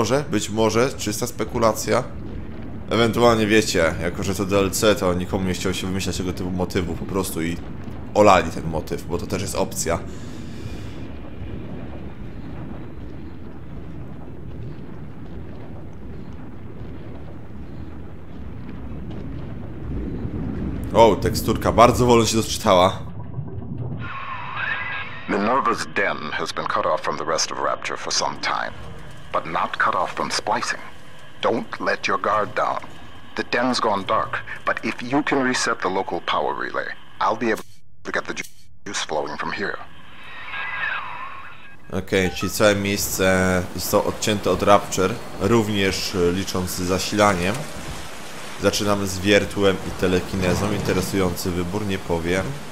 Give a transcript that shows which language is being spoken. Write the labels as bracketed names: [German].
[Polish] Być może, czysta spekulacja. Ewentualnie wiecie, jako że to DLC, to nikomu nie chciał się wymyślać tego typu motywu po prostu i olali ten motyw, bo to też jest opcja. O, teksturka bardzo wolno się doczytała. [English] Minerva's den has been cut off from the rest of Rapture for some time, but not cut off from splicing. Don't let your guard down. The den's gone dark, but if you can reset the local power relay, I'll be able to get the juice flowing from here. [Polish] Okej, okay, czyli całe miejsce zostało odcięte od Rapture, również licząc z zasilaniem. Zaczynamy z wiertłem i telekinezą. Interesujący wybór, nie powiem.